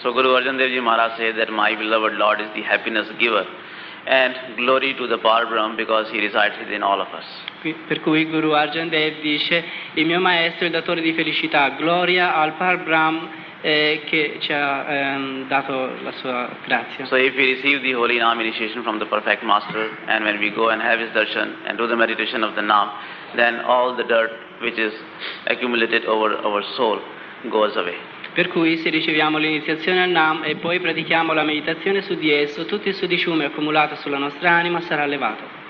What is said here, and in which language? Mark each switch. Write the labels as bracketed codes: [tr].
[en] So Guru Arjan Dev Ji Maharaj says that my beloved Lord is the happiness giver. And glory to the Parabrahma because he resides within all of us. [it] Per cui Guru Arjan Dev dice, il mio maestro è il datore di felicità. Gloria al Parabrahma che ci ha dato la sua grazia. [en] So if we receive the holy Naam initiation from the perfect master and when we go and have his darshan and do the meditation of the Naam, then all the dirt which is accumulated over our soul goes away. [it] Per cui se riceviamo l'iniziazione al Nam e poi pratichiamo la meditazione su di esso, tutto il sudiciume accumulato sulla nostra anima sarà levato.